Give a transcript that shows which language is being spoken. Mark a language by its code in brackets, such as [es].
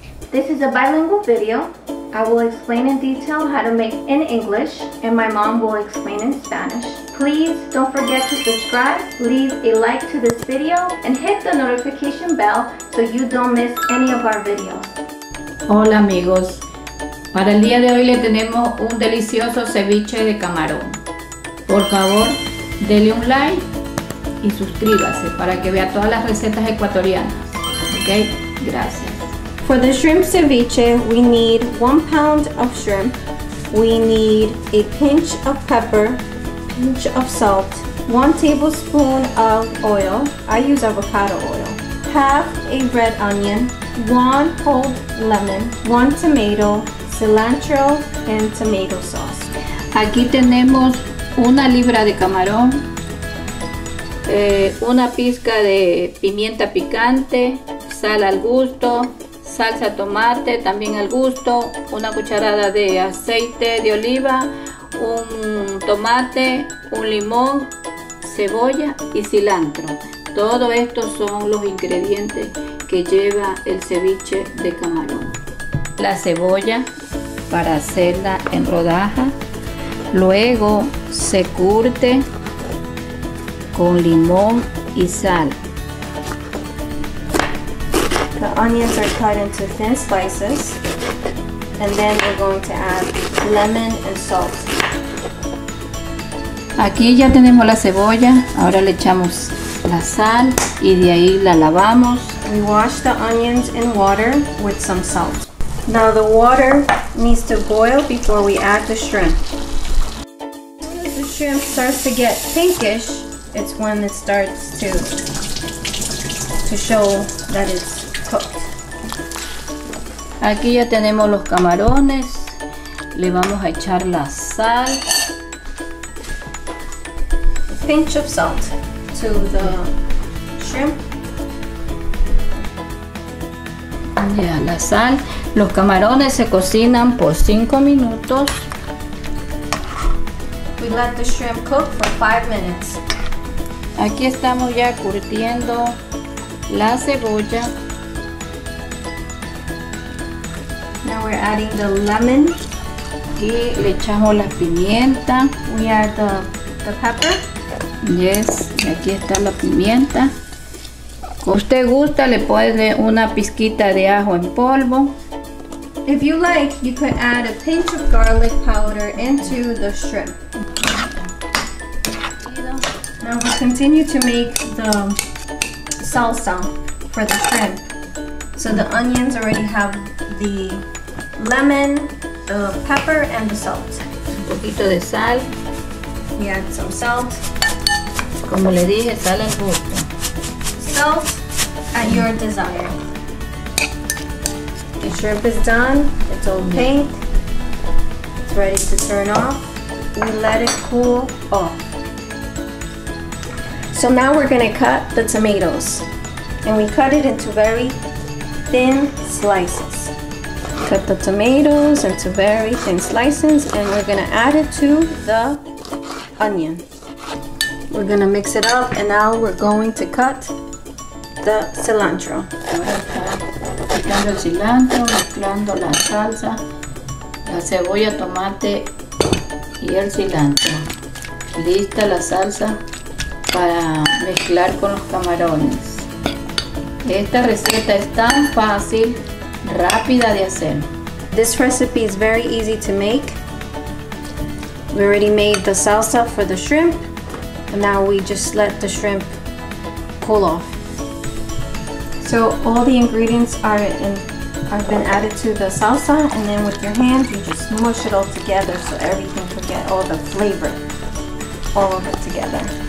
[en] This is a bilingual video. I will explain in detail how to make in English, and my mom will explain in Spanish. Please don't forget to subscribe, leave a like to this video, and hit the notification bell so you don't miss any of our videos. [es] Hola amigos. Para el día de hoy le tenemos un delicioso ceviche de camarón. Por favor, dele un like y suscríbase para que vea todas las recetas ecuatorianas. Ok, gracias. [en] For the shrimp ceviche, we need 1 pound of shrimp. We need a pinch of pepper, pinch of salt, 1 tablespoon of oil. I use avocado oil. 1/2 red onion, 1 whole lemon, 1 tomato, cilantro, and tomato sauce. [es] Aquí tenemos 1 libra de camarón, 1 pizca de pimienta picante, sal al gusto, salsa tomate también al gusto, 1 cucharada de aceite de oliva, 1 tomate, 1 limón, cebolla y cilantro. Todo esto son los ingredientes que lleva el ceviche de camarón. La cebolla para hacerla en rodaja, luego se curte con limón y sal. [en] The onions are cut into thin slices, and then we're going to add lemon and salt. [es] Aquí ya tenemos la cebolla, ahora le echamos la sal y de ahí la lavamos. [en] We wash the onions in water with some salt. Now the water needs to boil before we add the shrimp. As the shrimp starts to get pinkish, it's when it starts to show that it's cooked. [es] Aquí ya tenemos los camarones, le vamos a echar la sal. [en] A pinch of salt to the shrimp. [es] Ya la sal, los camarones se cocinan por 5 minutos. [en] We let the shrimp cook for 5 minutes. [es] Aquí estamos ya curtiendo la cebolla. [en] We're adding the lemon. [es] Y le echamos la pimienta. [en] We add the pepper. [es] Yes, y aquí está la pimienta. Usted gusta, le puede una pizquita de ajo en polvo. [en] If you like, you could add a pinch of garlic powder into the shrimp. Now we continue to make the salsa for the shrimp. So the onions already have the lemon, the pepper, and the salt. Un poquito de sal. We add some salt. Como le dije, sal al gusto. Salt at your desire. The shrimp is done. It's all pink. It's ready to turn off. We let it cool off. So now we're going to cut the tomatoes. And we cut it into very thin slices. Cut the tomatoes into very thin slices, and we're gonna add it to the onion. We're gonna mix it up, and now we're going to cut the cilantro. [es] Picando el cilantro, mezclando la salsa, la cebolla, tomate y el cilantro. Lista la salsa para mezclar con los camarones. Esta receta es tan fácil, rápida de hacer. [en] This recipe is very easy to make. We already made the salsa for the shrimp, and now we just let the shrimp cool off. So all the ingredients have been added to the salsa, and then with your hand you just mush it all together so everything could get all the flavor, all of it together.